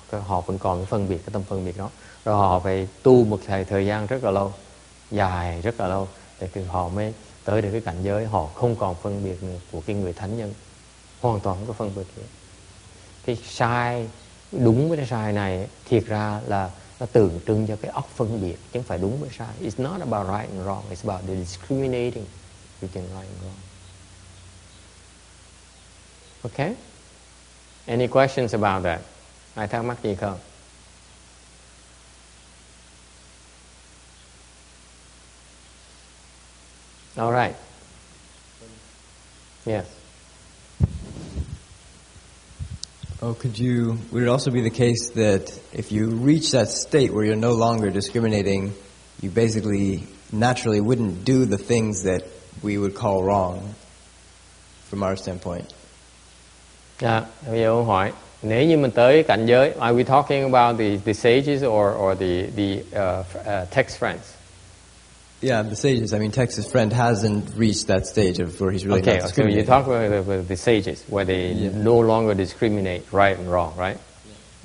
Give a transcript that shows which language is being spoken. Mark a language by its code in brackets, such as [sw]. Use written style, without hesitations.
[vi] Họ vẫn còn cái phân biệt, cái tâm phân biệt đó. Rồi họ phải tu một thời gian rất là lâu, dài rất là lâu, để từ họ mới tới được cái cảnh giới họ không còn phân biệt nữa, của cái người thánh nhân. Hoàn toàn không có phân biệt nữa. Cái sai, đúng với cái sai này thiệt ra là nó tượng trưng cho cái óc phân biệt, chứ không phải đúng với sai. [en] It's not about right and wrong, it's about the discriminating between right and wrong. Okay? Any questions about that? [vi] Ai thắc mắc gì không? [en] All right. Yes. Oh, would it also be the case that if you reach that state where you're no longer discriminating, you basically naturally wouldn't do the things that we would call wrong from our standpoint? Yeah, [vi] bây giờ ông hỏi, nếu như mình tới cảnh giới, [en] are we talking about the sages or the text friends? Yeah, the sages. I mean, Texas friend hasn't reached that stage of where he's really okay, not discriminating. Okay, so you talk about the sages, where they no longer discriminate right and wrong, right? Yeah.